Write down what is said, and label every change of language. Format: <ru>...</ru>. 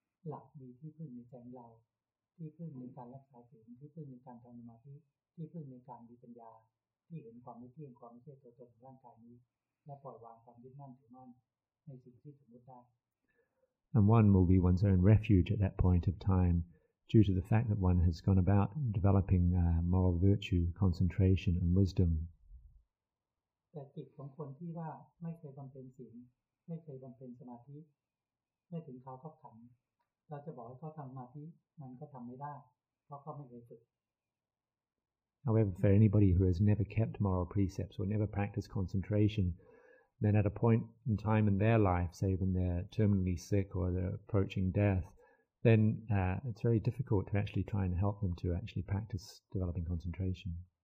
<th>หลักมีที่พึ่งในใจเราที่พึ่งในการรักษาศีลที่พึ่งในการทำสมาธิที่พึ่งในการมีปัญญาที่เห็นความไม่เที่ยงความไม่ใช่ตัวตนของร่างกายนี้และปล่อยวางความยึดมั่นถือมั่นในสิ่งที่สมมติได้</th> <en>And one will be one's own refuge at that point of time due to the fact that one has gone about developing moral virtue, concentration, and wisdom.</en> <th>แต่จิตของคนที่ว่าไม่เคยบำเพ็ญศีลไม่เคยบำเพ็ญสมาธิไม่ถึงเขาก็ขันเราจะบอกให้เขาทำสมาธิมันก็ทำไม่ได้เพราะเขาไม่เคยฝึก</th> <en>However, for anybody who has never kept moral precepts or never practiced concentration, then at a point in time in their life, say when they're terminally sick or they're approaching death, then it's very difficult to actually try and help them to actually practice developing concentration.</en>